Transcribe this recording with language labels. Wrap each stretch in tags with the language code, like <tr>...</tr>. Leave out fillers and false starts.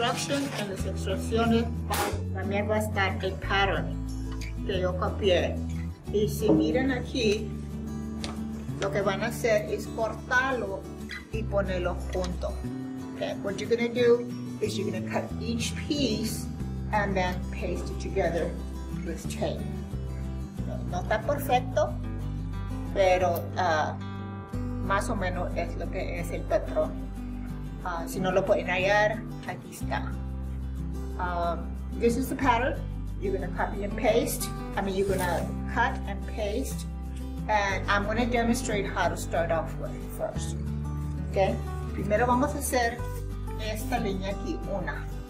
<es>En las instrucciones también va a estar el pattern que yo copié. Y si miran aquí, lo que van a hacer es cortarlo y ponerlo junto.</es> <en>Okay. What you're going to do is you're going to cut each piece and then paste it together with tape.</en> <es>No está perfecto, pero más o menos es lo que es el patrón. Si no lo pueden hallar, aquí está.</es> <en>This is the pattern. You're going to copy and paste. You're going to cut and paste. And I'm going to demonstrate how to start off with it first. Okay?</en> <es>Primero vamos a hacer esta línea aquí, una.</es>